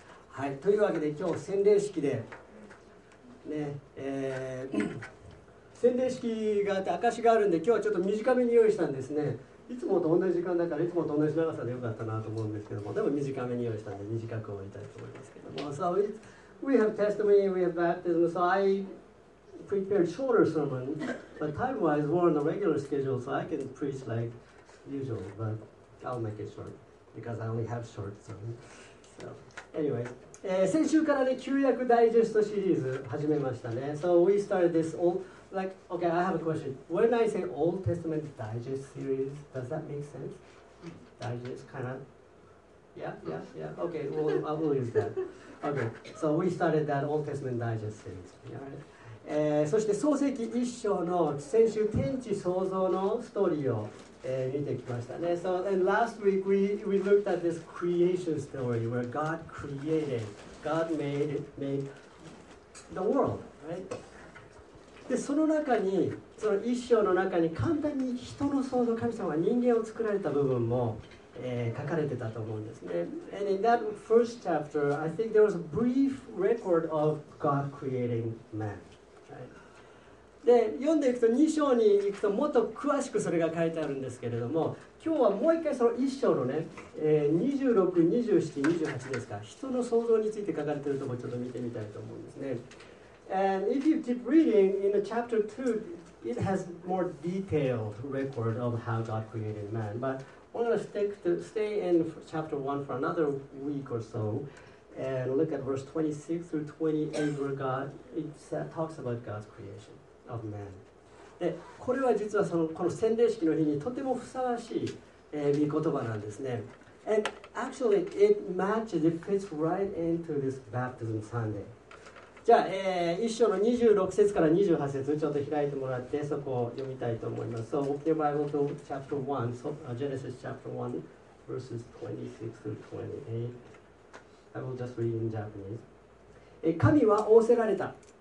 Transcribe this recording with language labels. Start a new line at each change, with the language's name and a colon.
Japanese: はい、というわけで今日洗礼式で、ね、洗礼式があって証があるんで、今日はちょっと短めに用意したんですね。いつもと同じ時間だから、いつもと同じ長さでよかったなと思うんですけども、でも短めに用意したんで短く終わりたいと思いますけども。
English: So we have testimony, we have baptism, so I prepared shorter sermon, but time-wise we're on the regular schedule, so I can preach like usual, but I'll make it short because I only have short sermon.
Japanese: Anyway, 先週からね、旧約ダイジェストシリーズ始めましたね。
English: So we started this old, like, okay, I have a question. When I say Old Testament Digest series, does that make sense? Digest, kind of? Yeah. Okay, well, I will use that. Okay, so we started that Old Testament Digest series. Yeah.
Japanese: そして創世記一章の先週天地創造のストーリーを見てきましたね。
English: So, and last week we looked at this creation story where God created, God made the world, right?
Japanese: で、その中に、その一章の中に簡単に人の創造、神様は人間を作られた部分も、書かれてたと思うんですね。
English: And in that first chapter, I think there was a brief record of God creating man.
Japanese: で、読んでいくと2章に行くともっと詳しくそれが書いてあるんですけれども、今日はもう一回その1章のね、26、27、28ですか、人の創造について書かれているところをちょっと見てみたいと思うんですね。
English: And if you keep reading in the chapter 2, it has more detailed record of how God created man. But we're going to stay in chapter 1 for another week or so. And look at verse 26 through 28 where God talks about God's creation of man.
Japanese: で、これは実はそのこの洗礼式の日にとてもふさわしい、御言葉なんですね。
English: And actually it matches, it fits right into this baptism Sunday.
Japanese: じゃあ、一章の26節から28節ちょっと開いてもらってそこを読みたいと思います。
English: So open your Bible to chapter 1, so, Genesis chapter 1 verses 26 through 28. I will just read in Japanese.
Japanese: 神は仰せられた。